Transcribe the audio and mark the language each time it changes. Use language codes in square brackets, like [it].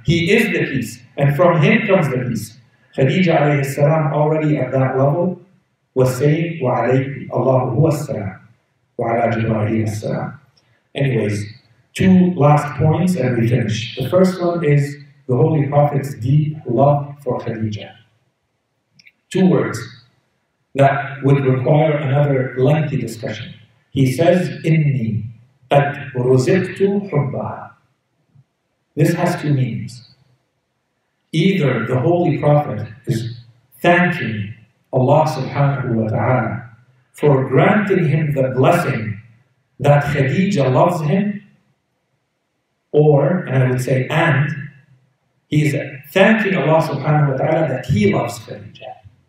[en] He is the peace, and from Him comes the peace. Khadija alayhi salam, already at that level, was saying, [ar] wa alayhi, Allahu huwa salam, wa ala jibrahim salam. [en] Anyways, two last points and we finish. The first one is the Holy Prophet's deep love for Khadija. Two words that would require another lengthy discussion. He says, [ar] إِنِّي قَدْ رُزِقْتُ حُبَّهَا. [en] This has two meanings. Either the Holy Prophet is thanking Allah subhanahu wa ta'ala for granting him the blessing that Khadija loves him, or, and I would say, and, he is thanking Allah subhanahu wa ta'ala that he loves Khadija.